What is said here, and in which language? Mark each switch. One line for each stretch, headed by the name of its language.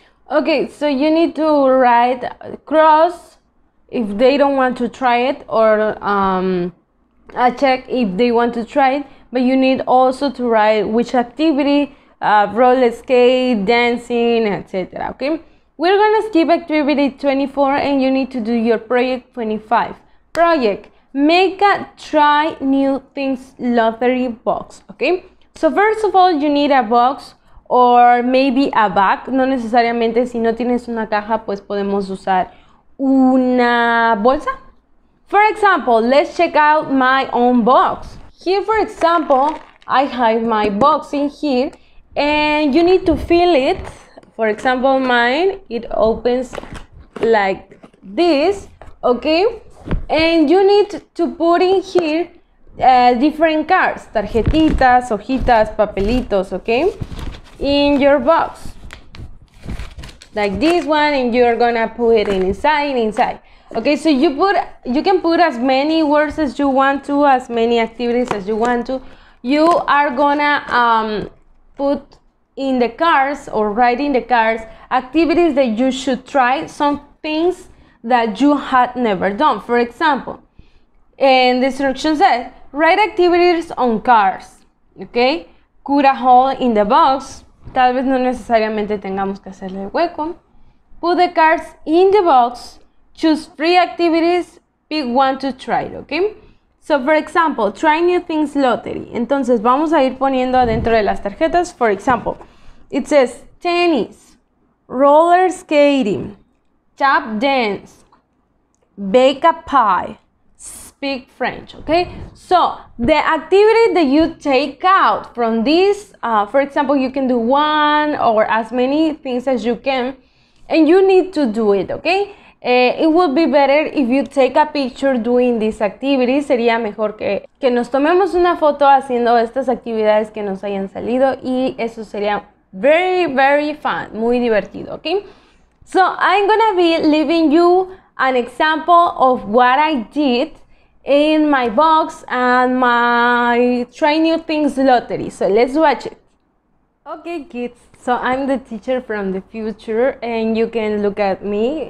English: Okay, so you need to write cross if they don't want to try it, or I check if they want to try it, but you need also to write which activity, roller skate, dancing, etc. Okay, we're gonna skip activity 24 and you need to do your project 25. Project, make a try new things lottery box. Okay, so first of all, you need a box. Or maybe a bag,
Spanish: no necesariamente, si no tienes una caja, pues podemos usar una bolsa.
English: For example, let's check out my own box. Here, for example, I have my box in here, and you need to fill it. For example, mine, it opens like this, okay? And you need to put in here different cards,
Spanish: tarjetitas, hojitas, papelitos,
English: okay? In your box. like this one, and you're gonna put it inside. Okay, so you can put as many words as you want to, as many activities as you want to. You are gonna put in the cards or write in the cards activities that you should try, some things that you had never done. For example, and the instruction says, write activities on cards, okay? Cut a hole in the box.
Spanish: Tal vez no necesariamente tengamos que hacerle el hueco.
English: Put the cards in the box. Choose three activities. Pick one to try it, okay? So, for example, try new things lottery.
Spanish: Entonces, vamos a ir poniendo adentro de las tarjetas.
English: For example, it says tennis, roller skating, tap dance, bake a pie, speak French, okay? So, the activity that you take out from this, for example, you can do one or as many things as you can, and you need to do it, okay? It would be better if you take a picture doing this activity.
Spanish: Sería mejor que nos tomemos una foto haciendo estas actividades que nos hayan salido, y eso sería
English: very, very fun,
Spanish: muy divertido, okay?
English: So, I'm gonna be leaving you an example of what I did in my box and my Try New Things lottery. So let's watch it. Okay, kids, so I'm the teacher from the future, and you can look at me.